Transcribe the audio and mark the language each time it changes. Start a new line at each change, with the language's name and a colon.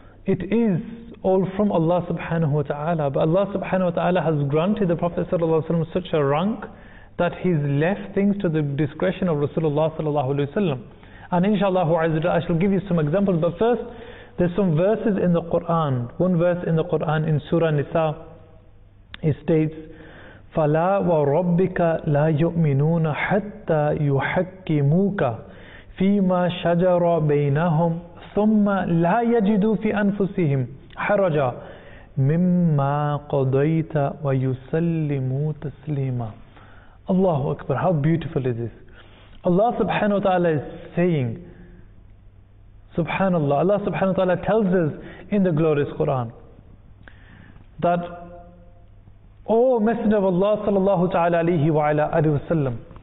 English: It is all from Allah subhanahu wa ta'ala. But Allah subhanahu wa ta'ala has granted the Prophet sallallahu alayhi wa sallam such a rank that he's left things to the discretion of Rasulullah sallallahu alayhi wa sallam. And inshallah I shall give you some examples, but first there's some verses in the Quran. One verse in the Quran in Surah Nisa, it states,
Arabic: فَلَا وَرَبِّكَ لَا يُؤْمِنُونَ حَتَّى يُحَكِّمُوكَ فِيمَا شَجَرَ بَيْنَهُمْ ثُمَّ لَا يَجِدُوا فِي أَنفُسِهِمْ حَرَجًا مِمَّا قَضَيْتَ وَيُسَلِّمُوا تَسْلِيمًا.
English: Allahu Akbar, how beautiful is this? Allah subhanahu wa ta'ala is saying, Subhanallah, Allah subhanahu wa ta'ala tells us in the glorious Quran that, O Messenger of Allah sallallahu ta'ala alayhi wa ala alayhi wa sallam,